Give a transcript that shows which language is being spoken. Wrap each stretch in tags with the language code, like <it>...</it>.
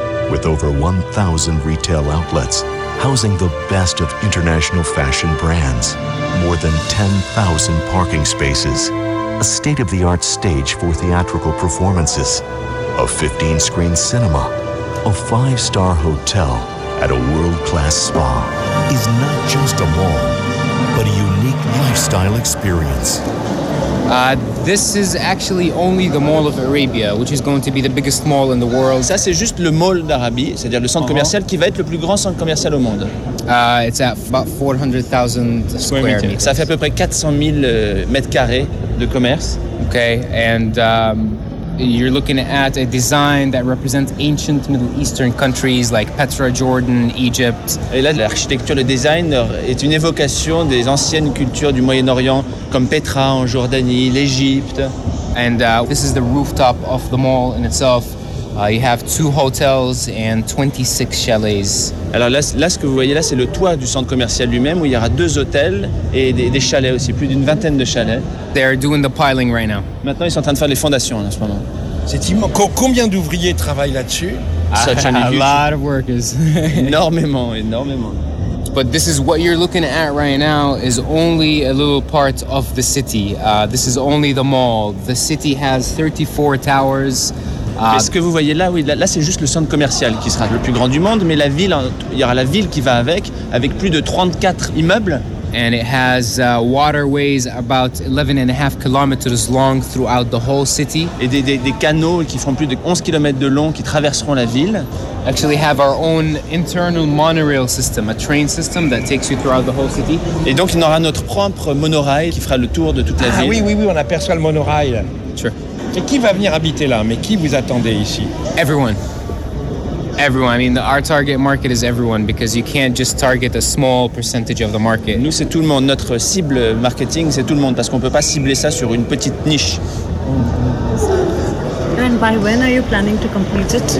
<en>With over 1,000 retail outlets, housing the best of international fashion brands, more than 10,000 parking spaces, a state-of-the-art stage for theatrical performances, a 15-screen cinema, a 5-star hotel, and a world-class spa, is not just a mall, but a unique lifestyle experience. This is actually only the Mall of Arabia, which is going to be the biggest mall in the world.</en> <fr>Ça, c'est juste le Mall d'Arabie, c'est-à-dire le centre commercial qui va être le plus grand centre commercial au monde.</fr> <en>It's at about 400,000 square meters.</en> <fr>Ça fait à peu près 400 000 mètres carrés de commerce.</fr> <en>Okay, and you're looking at a design that represents ancient Middle Eastern countries like Petra, Jordan, Egypt.</en> <fr>Et là, l'architecture, le design est une évocation des anciennes cultures du Moyen-Orient comme Petra en Jordanie, l'Égypte.</fr> <en>And this is the rooftop of the mall in itself. You have 2 hotels and 26 chalets.</en> <fr>Alors là, ce que vous voyez là, c'est le toit du centre commercial lui-même où il y aura 2 hôtels et des chalets aussi, plus d'une vingtaine de chalets.</fr> <en>They are doing the piling right now.</en> <fr>Maintenant, ils sont en train de faire les fondations en ce moment. C'est immense. Combien d'ouvriers travaillent là-dessus?</fr> <en>Such an huge. A lot of workers.</en> <fr>Énormément.</fr> <en>But this is what you're looking at right now is only a little part of the city. This is only the mall. The city has 34 towers.</en> <fr>Qu'est-ce que vous voyez là? Oui, là c'est juste le centre commercial qui sera le plus grand du monde, mais la ville, il y aura la ville qui va avec plus de 34 immeubles.</fr> <en>And it has waterways about 11.5 kilometers long throughout the whole city.</en> <fr>Et des canaux qui font plus de 11 kilomètres de long qui traverseront la ville.</fr> <en>Actually have our own internal monorail system, a train system that takes you throughout the whole city.</en> <fr>Et donc il y aura notre propre monorail qui fera le tour de toute la ville. Oui, on aperçoit le monorail.</fr> <en>Sure.</en> <fr>Et qui va venir habiter là? Mais qui vous attendez ici?</fr> <en>Everyone. I mean, our target market is everyone because you can't just target a small percentage of the market.</en> <fr>Nous, c'est tout le monde. Notre cible marketing, c'est tout le monde parce qu'on peut pas cibler ça sur une petite niche.</fr> <en>And by when are you planning to complete it?</en>